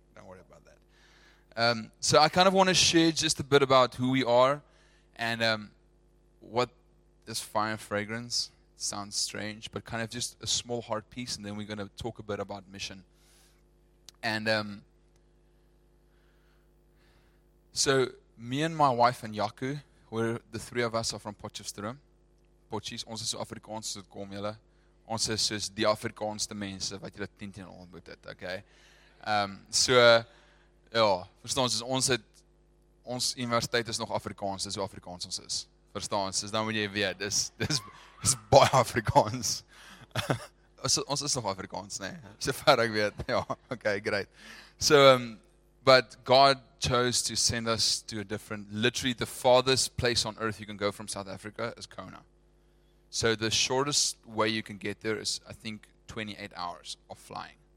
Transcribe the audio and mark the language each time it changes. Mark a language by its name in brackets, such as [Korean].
[English] Don't worry about that. So I kind of want to share just a bit about who we are and what is Fire and Fragrance. Sounds strange, but kind of just a small heart piece, and then we're going to talk a bit about mission. And so me and my wife and Yaku, we're the three of us are from Potchefstroom. [Afrikaans] Potjies, ons is Afrikaans, so kom julle. Ons is soos die Afrikaanse mense wat julle teen ontmoet het, okay? Verstaan, soos ons universiteit is nog Afrikaans, dis hoe Afrikaans ons is. Verstaan, soos dan moet jy weet, dis baie Afrikaans. ons is nog Afrikaans, nê? Nee? So ver ek weet, ja, okay, great. [English] So, but God chose to send us to a different, literally the farthest place on earth you can go from South Africa is Kona. So the shortest way you can get there is, I think, 28 hours of flying.